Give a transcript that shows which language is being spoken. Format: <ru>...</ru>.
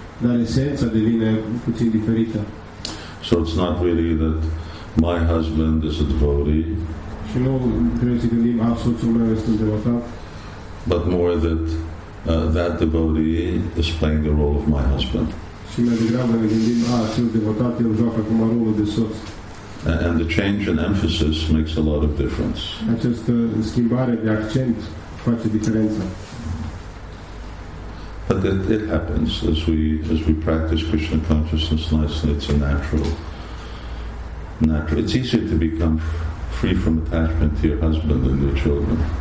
<ro>Dar esența devine puțin diferită.</ro> <en>So it's not really that my husband is a devotee.</en> <ro>Și nu trebuie să gândim că soțul meu este un devotat.</ro> <en>But more that that devotee is playing the role of my husband.</en> <ro>Și mai degrabă ne gândim, acel devotat el joacă acum rolul de soț.</ro> <en>And the change in emphasis makes a lot of difference.</en> <ro>Această schimbare de accent face diferența.</ro> <en>But it happens as we practice Krishna consciousness nicely. It's a natural. It's easier to become free from attachment to your husband and your children,</en>